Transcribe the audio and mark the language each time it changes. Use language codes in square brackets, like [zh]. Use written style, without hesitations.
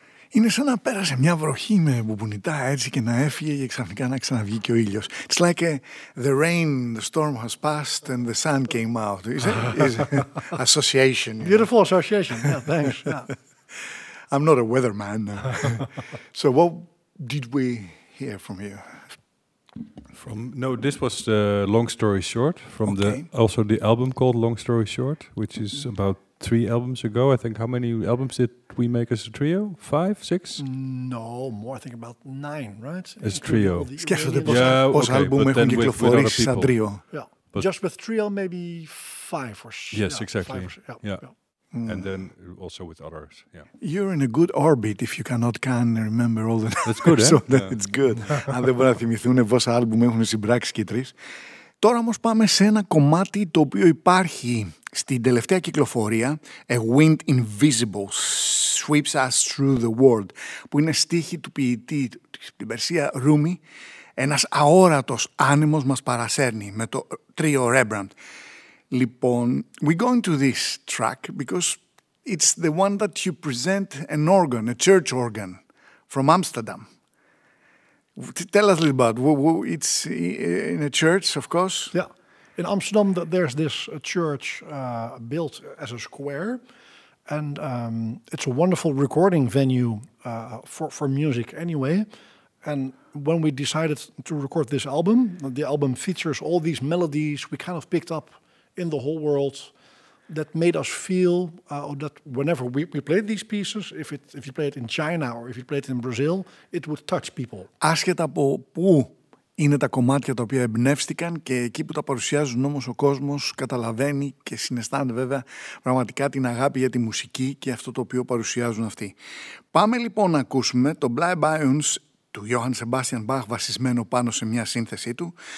[el] Είναι σαν να πέρασε μια βροχή με μπουμπουνιτά έτσι και να έφυγε και ξαφνικά να ξαναβγεί και ο ήλιος. [en] It's like the rain, the storm has passed and the sun came out. Is association. You know? Beautiful association. Yeah, thanks. Yeah. I'm not a weatherman. So what did we hear from you? This was the Long Story Short from the album called Long Story Short, which is about 3 albums ago, I think. How many albums did we make as a trio? 5, 6? No, more, I think about 9, right? As a trio. But just with trio, maybe 5 or 6. Yes, exactly. 5 or 6. And then also with others, yeah. You're in a good orbit if you cannot can remember all the... That's good, so eh? It's good. [el] Αν δεν μπορούν να θυμηθούν πόσα άλμπουμ έχουν συμπράξει και 3. Τώρα όμως πάμε σε ένα κομμάτι το οποίο υπάρχει στην τελευταία κυκλοφορία, A Wind Invisible Sweeps Us Through the World, που είναι στίχη του ποιητή στην Περσία, Rumi. Ένας αόρατος άνεμος μας παρασέρνει με το τρίο Rembrandt. Λοιπόν, [en] we're going to this track because it's the one that you present an organ, a church organ from Amsterdam. Tell us a little bit. It's in a church, of course. Yeah. In Amsterdam, there's this church built as a square. And it's a wonderful recording venue for music anyway. And when we decided to record this album, the album features all these melodies we kind of picked up in the whole world that made us feel that whenever we played these pieces, if you play it in China or if you play it in Brazil, it would touch people. [el] Άσχετα από πού είναι τα κομμάτια τα οποία εμπνεύστηκαν και εκεί που τα παρουσιάζουν όμως ο κόσμος καταλαβαίνει και συναισθάνεται βέβαια πραγματικά την αγάπη για τη μουσική και αυτό το οποίο παρουσιάζουν αυτοί. Πάμε λοιπόν να ακούσουμε το Bleibions του Johann Sebastian Bach βασισμένο πάνω σε μια σύνθεσή του.